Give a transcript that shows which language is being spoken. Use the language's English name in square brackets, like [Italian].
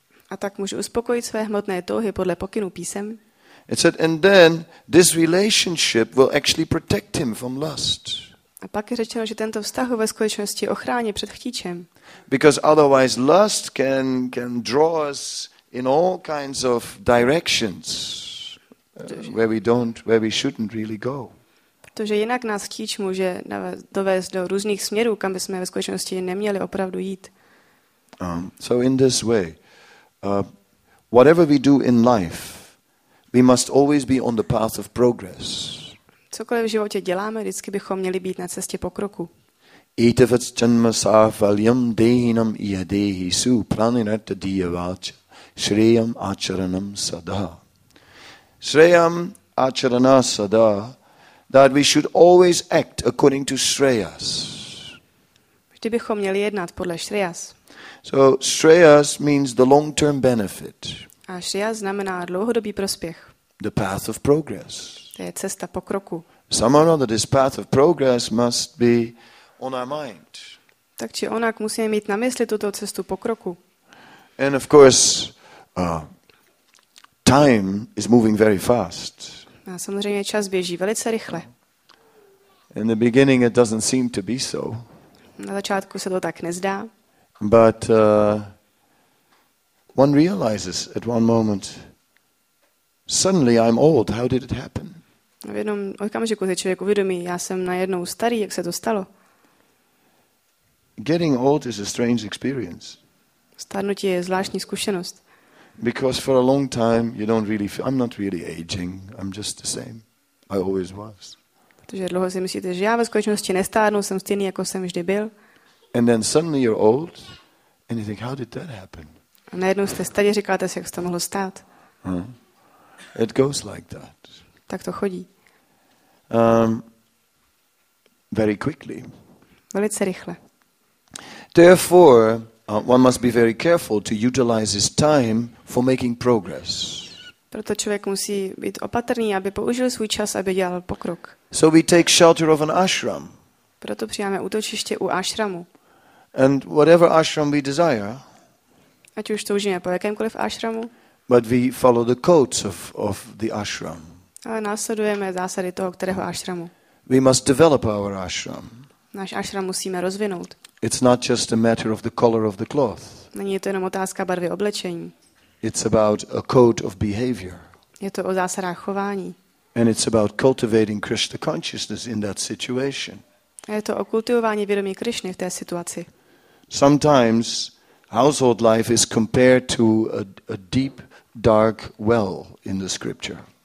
[Czech] A tak může uspokojit své hmotné touhy podle pokynů písem. [English] It said, and then this relationship will actually protect him from lust. [Czech] A pak je řečeno, že tento vztah ve skutečnosti ochrání před chtíčem. [English] Because otherwise lust can draw us in all kinds of directions where we shouldn't really go. [Czech] Protože jinak nás chtíč může dovést do různých směrů, kam bychom ve skutečnosti neměli opravdu jít. [English] So in this way, whatever we do in life, we must always be on the path of progress. [Czech] Cokoliv v životě děláme, vždycky bychom měli být na cestě pokroku. [Sanskrit] Itavacchanmasavalyam dehinam iadehi su praninata diyavacha shreyam acharanam sadaha. Shreyam acharana sadaha, [English] that we should always act according to shreyas. [Czech] Vždy bychom měli jednat podle shreyas. [English] So shreyas means the long-term benefit. [Czech] A shreyas znamená dlouhodobý prospěch. [English] The path of progress. [Czech] To je cesta pokroku. [English] Somehow or another, this path of progress must be on our mind. [Czech] Tak či onak musíme mít na mysli tuto cestu pokroku. [English] And of course, time is moving very fast. [Czech] A samozřejmě čas běží velice rychle. [English] In the beginning, it doesn't seem to be so. [Czech] Na začátku se to tak nezdá. [English] But one realizes at one moment, suddenly I'm old. How did it happen? [Czech] V jednom okamžiku se člověk uvědomí, já jsem najednou starý, jak se to stalo. [English] Getting old is a strange experience. [Czech] Stárnutí je zvláštní zkušenost. [English] Because for a long time you don't really feel, I'm not really aging, I'm just the same. I always was. [Czech] Protože dlouho si myslíte, že já ve skutečnosti nestárnu, jsem stejný, jako jsem vždy byl. [English] And then suddenly you're old and you think, how did that happen? [Czech] A najednou jste starý, říkáte si, jak se to mohlo stát. [English] It goes like that. [Czech] Tak to chodí. [English] Very quickly. [Czech] Velice rychle. [English] Therefore, one must be very careful to utilize his time for making progress. [Czech] Proto člověk musí být opatrný, aby použil svůj čas, aby dělal pokrok. [English] So we take shelter of an ashram. [Czech] Proto přijáme útočiště u ashramu. [English] And whatever ashram we desire. [Czech] Ať už toužíme po jakémkoliv ashramu. [English] But we follow the codes of the ashram. [Czech] Ale následujeme zásady toho, kterého ashramu. [English] We must develop our ashram. [Czech] Náš ashram musíme rozvinout. [English] It's not just a matter of the color of the cloth. [Czech] Není to jenom otázka barvy oblečení. [English] It's about a code of behavior. [Czech] Je to o zásadách chování. [English] And it's about cultivating Krishna consciousness in that situation. [Czech] A je to o kultivování vědomí Krišny v té situaci. [English] Sometimes household life is compared to a deep dark well in the scripture.